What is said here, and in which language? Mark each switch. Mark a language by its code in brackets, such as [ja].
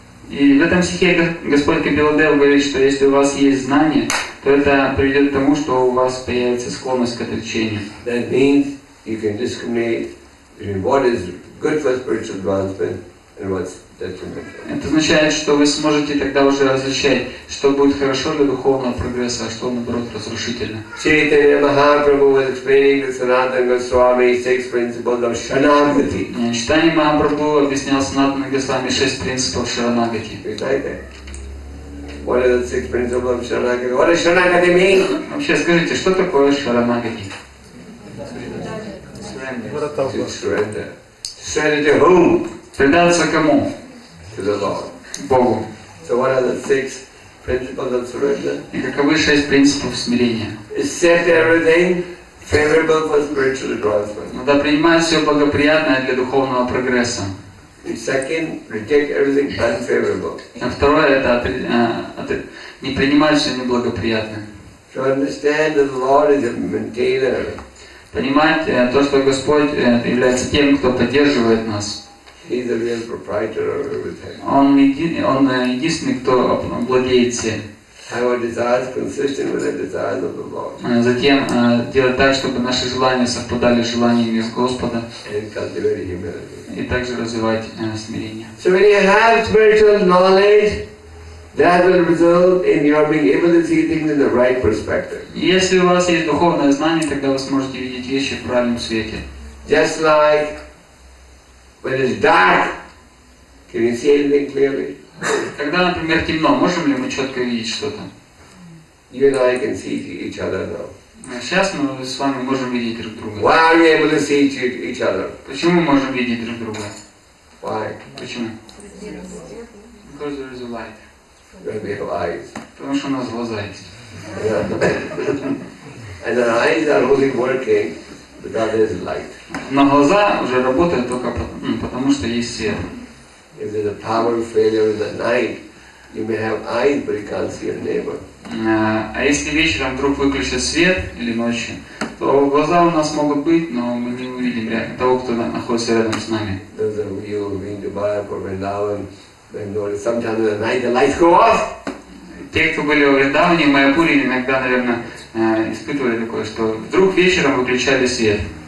[ru] И в этом стихе Господь Кабиладев говорит, что если у вас есть знания, то это приведет к тому, что у вас появится склонность к отречению. [en] That means you can discriminate between what is good for spiritual advancement and what's detrimental. [ru] Это означает, что вы сможете тогда уже различать, что будет хорошо для духовного прогресса, а что наоборот разрушительно. [en] Чайтанья Махапрабху was explaining to Санатана Госвами six principles of Шаранагати. [ru] Чайтанья Махапрабху объяснял Санатана Госвами шесть принципов Шаранагати. [en] What are the six principles of Шаранагати? What does Шаранагати mean? [ru] Вообще скажите, что такое Шаранагати? [en] Surrender. Surrender. Surrender to whom? [ru] Предаться кому? [en] To the Lord. [ru] Богу. [en] So what are the six principles of surrender? [ru] И каковы шесть принципов смирения? [en] Accept everything favorable for spiritual advancement. [ru] Надо принимать все благоприятное для духовного прогресса. [en] Second, reject everything unfavorable. [ru] А второе это не принимать все неблагоприятное. [en] To understand that the Lord is a maintainer. [ru] Понимать то, что Господь является тем, кто поддерживает нас. [en] He's the real proprietor of everything. [ru] Он единственный, кто владеет всем. [en] Our desires consistent with the desires of the Lord. [ru] Затем делать так, чтобы наши желания совпадали с желаниями Господа. [en] And cultivate humility. [ru] И также развивать смирение. [en] So when you have spiritual knowledge, that will result in your being able to see things in the right perspective. [ru] Если у вас есть духовное знание, тогда вы сможете видеть вещи в правильном свете. [en] Just like when it's dark, can you see anything clearly? [ru] Когда, например, темно, можем ли мы четко видеть что-то? [en] You and I can see each other now. [ru] Сейчас мы с вами можем видеть друг друга. [en] Why are we able to see each other? [ru] Почему мы можем видеть друг друга? [en] Why? [ru] Почему? [en] Because there is a light. Because we have eyes. [ru] Потому что у нас глаза есть. [en] And the eyes are only working because there is light. [ru] Но глаза уже работают только потому, что есть свет. [en] If there's a power failure in the night, you may have eyes, but you can't see your neighbor. [ru] А если вечером вдруг выключат свет или ночью, то глаза у нас могут быть, но мы не увидим того, кто находится рядом с нами. [en] Those of you who've been to Dubai for Vrindavan, they know that sometimes in the night the lights go off. [ru] Те, кто были в Вриндаване, в Майяпуре, иногда, наверное, испытывали такое, что вдруг вечером выключали свет.